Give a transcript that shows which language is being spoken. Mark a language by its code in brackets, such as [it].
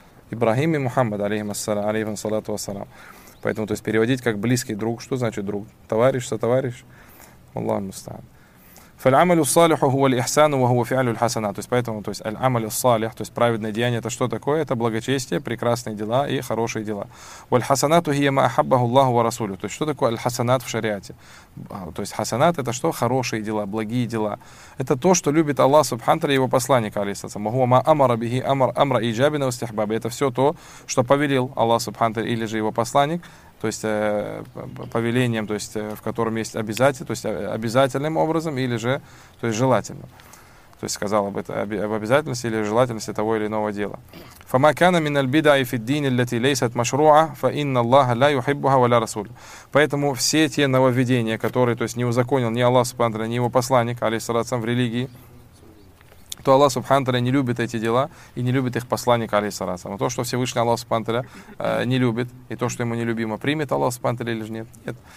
[ru] Ибрахим и Мухаммад, алейхим ассалату ассалам. Поэтому то есть переводить как близкий друг. Что значит друг? Товарищ, сотоварищ? Аллах мустан. [ar] فَالْعَمَلُ الصَّالِحُ هُوَ الْإِحْسَانُ وَهُوَ فِعْلُ الْحَسَنَةُ [ru] То есть, поэтому, то есть, الْعَمَلُ الصَّالِحُ, то есть, праведное деяние, это что такое? Это благочестие, прекрасные дела и хорошие дела. [ar] وَالْحَسَنَةُ هِيَ مَا أَحَبَّهُ اللَّهُ وَرَسُولُهُ [ru] То есть, что такое [ar] الْحَسَنَةُ [ru] в шариате? То есть, хасанат – это что? Хорошие дела, благие дела. Это то, что любит Аллах Субханта и его посланник, алейхиссалям. [ar] وَهُوَ مَا أَمَرَ بِهِ أَمْرَ إِجَابِنَ وَاسْتِحْبَابِ [ru] Это все то, что повелел Аллах Субханта или же его посланник, то есть повелением, то есть в котором есть обязательно, то есть обязательным образом или же то есть желательно. То есть сказал об это об обязательности или желательности того или иного дела. [ar] فما كان من البدع في الدين التي ليست مشروعة فإن الله لا يحبها ولا رسوله. [ru] Поэтому все те нововведения, которые, то есть не узаконил ни Аллах Субхану Тааля, ни его посланник, алейхиссалям, в религии, то Аллах Субхану Тааля не любит эти дела и не любит их посланник, алейхиссалям. То, что Всевышний Аллах Субхану Тааля не любит, и то, что ему нелюбимо, примет Аллах Субхану Тааля или же нет? Нет.